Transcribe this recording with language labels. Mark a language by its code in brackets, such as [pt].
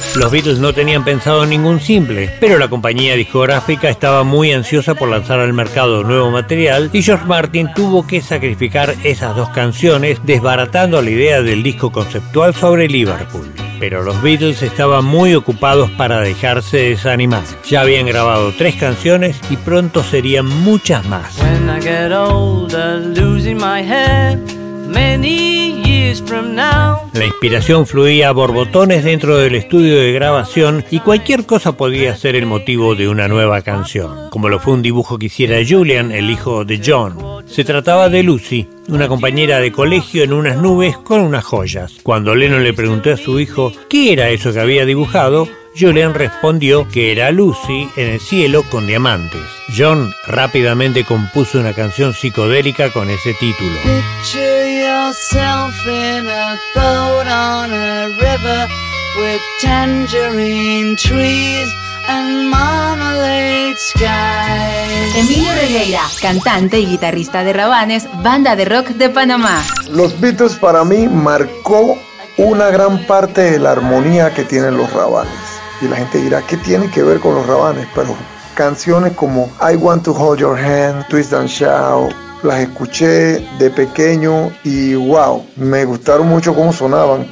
[es] Los Beatles no tenían pensado en ningún simple, pero la compañía discográfica estaba muy ansiosa por lanzar al mercado nuevo material y George Martin tuvo que sacrificar esas dos canciones, desbaratando la idea del disco conceptual sobre Liverpool. Pero los Beatles estaban muy ocupados para dejarse desanimar. Ya habían grabado tres canciones y pronto serían muchas más. [en] When I get older, losing my head, many years from now. [es] La inspiración fluía a borbotones dentro del estudio de grabación y cualquier cosa podía ser el motivo de una nueva canción, como lo fue un dibujo que hiciera Julian, el hijo de John. Se trataba de Lucy, una compañera de colegio en unas nubes con unas joyas. Cuando Lennon le preguntó a su hijo qué era eso que había dibujado, Julian respondió que era Lucy en el cielo con diamantes. John rápidamente compuso una canción psicodélica con ese título. [en] Picture yourself in a boat on a river with tangerine trees and marmalade skies. [es] Emilio Ferreira, cantante y guitarrista de Rabanes, banda de rock de Panamá. Los Beatles para mí marcó una gran parte de la armonía que tienen los Rabanes. Y la gente dirá, ¿qué tiene que ver con los Rabanes? Pero canciones como I Want to Hold Your Hand, Twist and Shout, las escuché de pequeño y wow, me gustaron mucho cómo sonaban.